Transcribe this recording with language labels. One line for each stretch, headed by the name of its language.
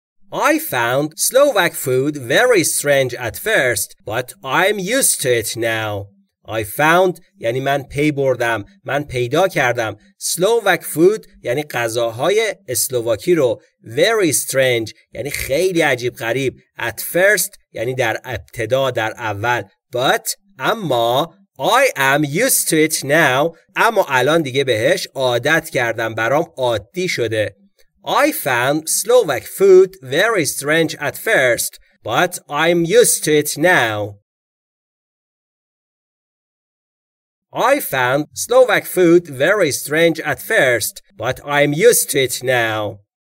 English: I found Slovak food very strange at first, but I'm used to it now. I found
Persian: یعنی من پی بردم، من پیدا کردم.
English: Slovak food
Persian: یعنی غذاهای اسلوواکی رو.
English: Very strange
Persian: یعنی خیلی عجیب غریب.
English: At first
Persian: یعنی در ابتدا، در اول.
English: But
Persian: اما
English: I am used to it now.
Persian: اما الان دیگه بهش عادت کردم، برام عادی شده.
English: I found Slovak food very strange at first, but I'm used to it now. I found Slovak food very strange at first, but I'm used to it now.